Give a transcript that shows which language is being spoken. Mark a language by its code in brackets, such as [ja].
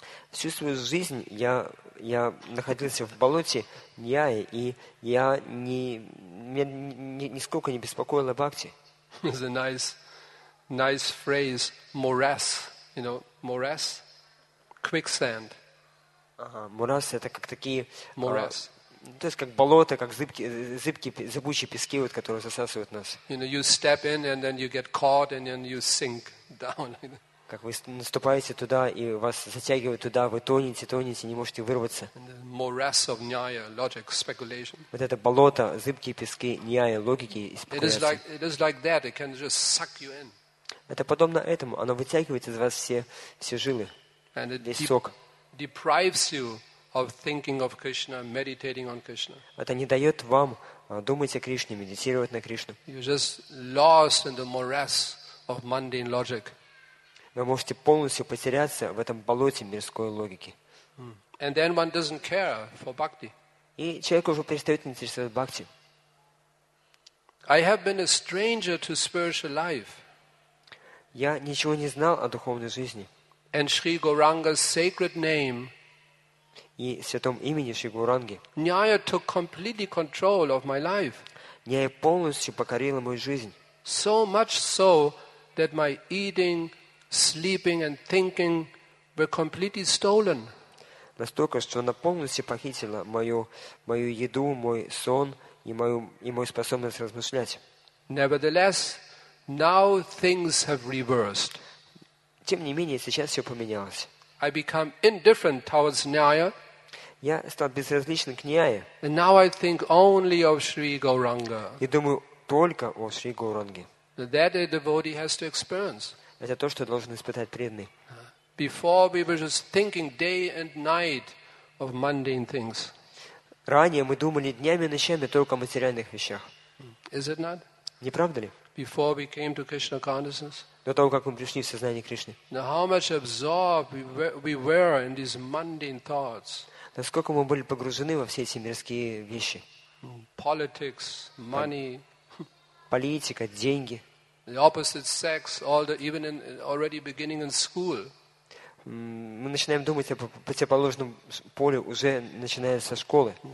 [ru] Всю свою жизнь я находился в болоте Ньяи, и я нисколько не беспокоила Бхакти. [en] It's a nice phrase, morass. You know, morass, quicksand. [ru] Morass — это как такие... [en] Morass. [ru] То есть как болото, как зыбучие пески, вот, которые засасывают нас. [en] You know, you step in and then you get caught and then you sink down. [ru] Как вы наступаете туда, и вас затягивают туда, вы тонете, не можете вырваться. Вот это болото, зыбкие пески, ньяя, логики и спекуляции. Это подобно этому. Оно вытягивает из вас все жилы, весь сок. Это не дает вам думать о Кришне, медитировать на Кришну. Вы просто [en] lost in the morass of mundane logic. [ru] Вы можете полностью потеряться в этом болоте мирской логики. [en] And then one doesn't care for bhakti. [ru] И человек уже перестает интересоваться бхакти. [en] I have been a stranger to spiritual life. [ru] Я ничего не знал о духовной жизни. [en] And Shri Gauranga's sacred name. [ru] И святом имени Шри Гауранги. [en] Nyaya took completely control of my life. [ru] Нья полностью покорила мою жизнь. [en] So much so that my eating, sleeping and thinking were completely stolen. [ru] Настолько, что она полностью похитила мою еду, мой сон и мою способность размышлять. [en] Nevertheless, now things have reversed. [ru] Тем не менее, сейчас все поменялось. [en] I become indifferent towards Nyaya. [ru] Я стал безразличен к Ньяе. [en] And now I think only of Sri Gauranga. [ru] И думаю только о Шри Гауранге. [en] That a devotee has to experience. [ru] Это то, что должен испытать преданный. [en] Before we were just thinking day and night of mundane things. [ru] Ранее мы думали днями и ночами только о материальных вещах. [en] Is it not? [ru] Не правда ли? [en] Before we came to Krishna consciousness. [ru] До того, как мы пришли в сознание Кришны. [en] Now how much absorbed we were in these mundane thoughts. [ru] Насколько мы были погружены во все эти мирские вещи. [en] Politics, money. [ru] Политика, деньги. [en] The opposite sex, already beginning in school. [ru] Мы начинаем думать о противоположном поле уже начиная со школы.